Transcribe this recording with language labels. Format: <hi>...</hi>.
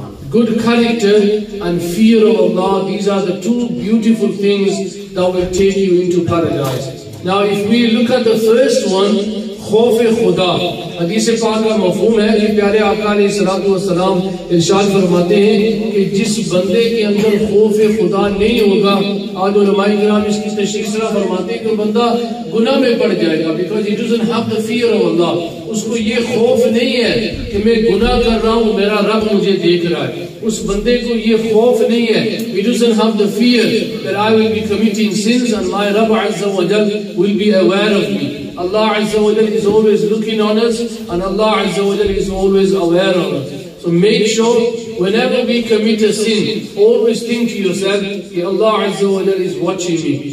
<en>Good character and fear of Allah, these are the two beautiful things that will take you into paradise. Now if we look at the first one,</en> <ur>خوف خدا، حدیث پاک کا مفہوم ہے کہ پیارے آقا علیہ السلام ارشاد فرماتے ہیں کہ جس بندے کے اندر خوف خدا نہیں ہوگا، آج علماء کرام اس کی تشریح اس طرح فرماتے ہیں کہ بندہ گناہ میں پڑ جائے گا.</ur> <en>because he doesn't have the fear of Allah.</en> <ur>اس کو یہ خوف نہیں ہے کہ میں گناہ کر رہا ہوں، میرا رب مجھے دیکھ رہا ہے. اس بندے کو یہ خوف نہیں ہے.</ur> <en>he doesn't have the fear that I will be committing sins and my Rabb Azza wa Jal will be aware of me. Allah Azza wa Jal is always looking on us and Allah Azza wa Jal is always aware of us. So make sure whenever we commit a sin, always think to yourself that Allah Azza wa Jal is watching me.</en>